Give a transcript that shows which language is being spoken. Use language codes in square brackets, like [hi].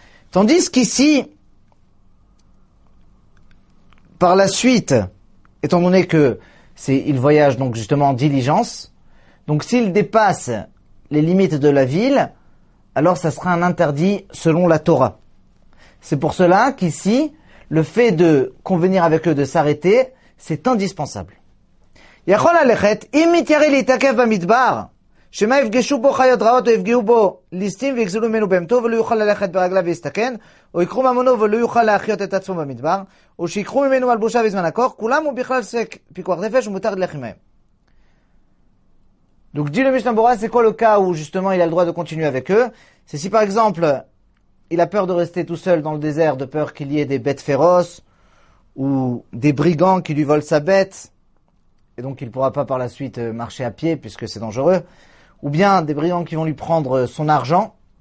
[fr] Tandis qu'ici, par la suite, étant donné que il voyage donc justement en diligence, donc s'il dépasse les limites de la ville, alors ça sera un interdit selon la Torah. C'est pour cela qu'ici, le fait de convenir avec eux de s'arrêter, c'est indispensable. [he] יכול ללכת, אם מתיירי להתעכב במדבר, שמה יפגשו בו חיות רעות, או יפגעו בו ליסטים, ויגזלו ממנו בהמתו, ולא יוכל ללכת ברגליו ויסתכן, או יקחו ממונו, ולא יוכל להחיות את עצמו במדבר, או שיקחו ממנו מלבושה בזמן הכוח, כולם הוא בכלל סק פיקוח נפש, ומותר ללכת מהם. [fr] Donc, dit le Mishnah Brura, c'est quoi le cas où, justement, il a le droit de continuer avec eux? C'est si, par exemple, il a peur de rester tout seul dans le désert, de peur qu'il y ait des bêtes féroces, ou des brigands qui lui volent sa bête, et donc il ne pourra pas par la suite marcher à pied puisque c'est dangereux, ou bien des brigands qui vont lui prendre son argent,